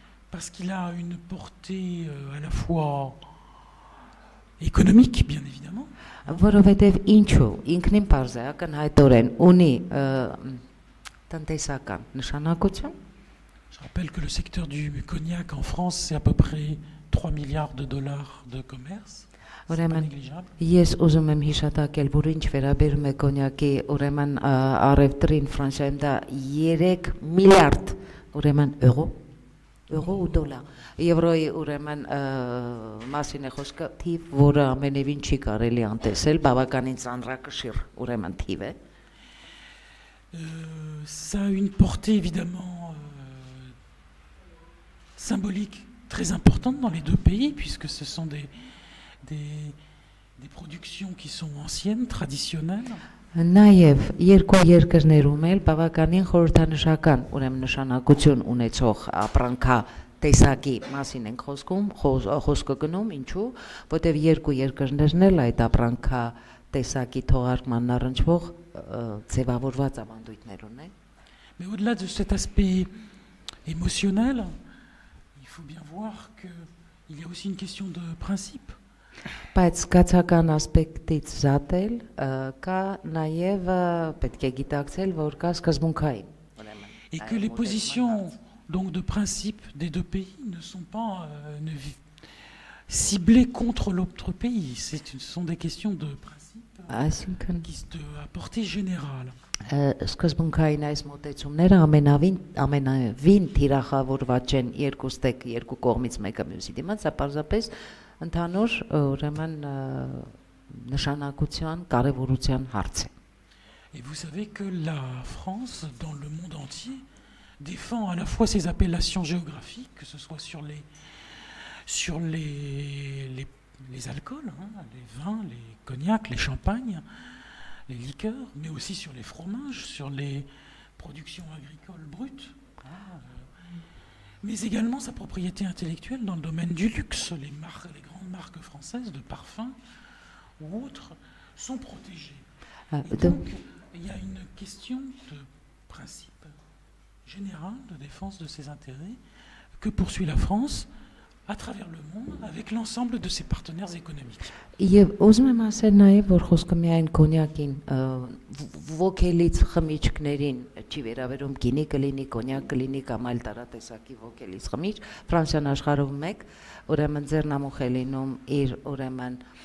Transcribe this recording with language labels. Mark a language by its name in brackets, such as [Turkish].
[French] Parce qu'il a une portée à la fois économique, bien évidemment. Je rappelle que le secteur du cognac en France, c'est à peu près 3 milliards de dollars de commerce. [Armenian] Ուրեմն ես ուզում եմ հիշատակել, որ ինչ վերաբերում է կոնյակի, ուրեմն առևտրին Ֆրանսիայում դա 3 միլիարդ, ուրեմն եվրո ու դոլար, եվրոյի ուրեմն մասին է խոսքը, թիվ, որը ամենևին չի կարելի անտեսել, բավականին ծանրակշիռ ուրեմն թիվ է։ [French] Ça a une portée évidemment symbolique très importante dans les deux pays puisque ce sont des productions qui sont anciennes, traditionnelles. [Armenian] Նաև երկու երկրներում էլ բավականին խորհրդանշական, ուրեմն նշանակություն ունեցող ապրանքա տեսակի մասին ենք խոսքում, խոսքը գնում, ինչու, որտեղ երկու երկրներն էլ այդ ապրանքա տեսակի թողարկման առնչվող ձևավորված ավանդույթներ ունեն։ [French] Mais au-delà de cet aspect émotionnel, il faut bien voir que il y a aussi une question de principe. [Armenian] Բայց կացական ասպեկտից զատել, կա նաև պետք է գիտակցել, որ կա սկզբունքային։ [French] Et que les positions donc de principe des deux pays ne sont pas ciblées contre l'autre pays, ce sont des questions de principe qui sont à portée générale. [Armenian] Սկզբունքային այս մտածումները ամենավին թիրախավորված են երկու կողմից մեկը մյուսի դիմաց, պարզապես ընդհանուր ուրեմն նշանակության կարևորության հարց է։ [French] Et vous savez que la France, dans le monde entier, défend à la fois ses appellations géographiques, que ce soit sur les alcools, hein, les vins, les cognacs, les champagnes, les liqueurs, mais aussi sur les fromages, sur les productions agricoles brutes, mais également sa propriété intellectuelle dans le domaine du luxe, les grandes marques françaises de parfums ou autres sont protégées. Donc, il y a une question de principe général de défense de ses intérêts que poursuit la France à travers le monde avec l'ensemble de ses partenaires économiques. [Armenian] Եվ ուզում եմ ասել նաև, որ խոսքը միայն կոնյակին, ոգելից խմիչքներին, չի վերաբերում գինի կլինի, կոնյակ կլինի կամ այլ տարատեսակի ոգելից խմիչք, Ֆրանսիան աշխարհով մեկ, ուրեմն ձեռնամուխ է լինում իր ուրեմն